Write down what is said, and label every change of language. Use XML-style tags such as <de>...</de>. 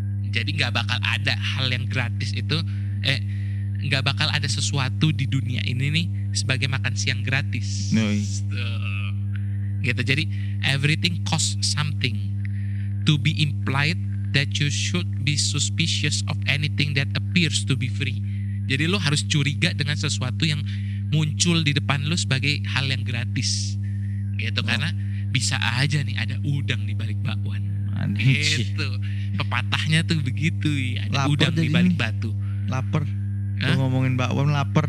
<id>Jadi gak bakal ada hal yang gratis itu, nggak bakal ada sesuatu di dunia ini nih sebagai makan siang gratis.</id> <en>Nice.</en> <id>Gitu.</id> <en>Jadi everything costs something. To be implied that you should be suspicious of anything that appears to be free.</en> <id>Jadi lo harus curiga dengan sesuatu yang muncul di depan lo sebagai hal yang gratis. Gitu. Karena bisa aja nih ada udang di balik bakwan. Gitu. Pepatahnya tuh begitu. Ada laper udang di balik batu. Laper. Ngomongin bakwan lapar.</id>